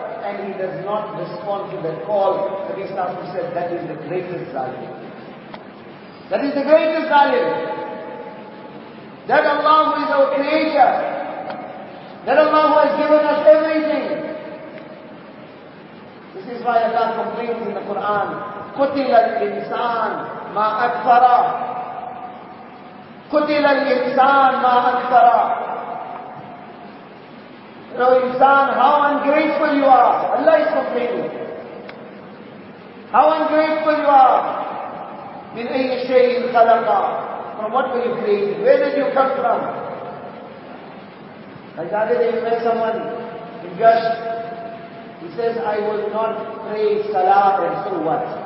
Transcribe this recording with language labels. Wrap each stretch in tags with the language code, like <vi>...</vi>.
<en>And he does not respond to that call. Nabi Sallallahu Alaihi said, that is the greatest zalim. That is the greatest zalim. That Allah who is our creator. That Allah who has given us everything. This is why Allah complains in the Quran.</en> <ar>قُتِلَ الْإِنسَانَ مَا أَكْفَرَ قُتِلَ الْإِنسَانَ مَا أَكْفَرَ</ar> <en>O insan, how ungrateful you are. Allah is complaining. How ungrateful you are.</en> <ar>مِنْ أَيِّ شَيْءٍ خَلَقَ</ar> <en>From what were you created? Where did you come from? Like that day you met someone in Gush. He says, I will not pray salah and so what?</en>